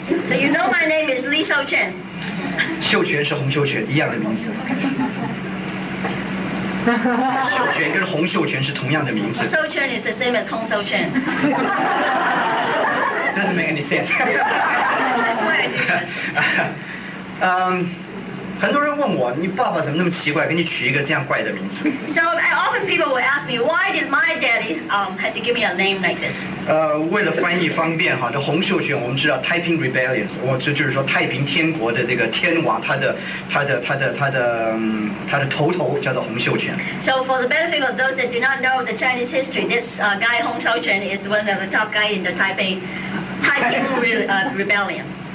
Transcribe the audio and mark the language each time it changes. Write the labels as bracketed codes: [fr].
[en] So you know my name is Lee Shou Chen. [zh] 秀全是洪秀全一样的名字。秀全跟洪秀全是同样的名字。 [en] 秀全 is the same as 洪秀全。 Doesn't make any sense. That's why. [zh] 很多人问我，你爸爸怎么那么奇怪，给你取一个这样怪的名字 [en] ？So often people will ask me, why did my daddy had to give me a name like this? [zh] 为了翻译方便哈，这洪秀全我们知道 Taiping Rebellion， 我这就是说太平天国的这个天王，他的头头叫做洪秀全。 [en] So for the benefit of those that do not know the Chinese history, this guy Hong Shou Quan is one of the top guy in the Taiping Rebellion.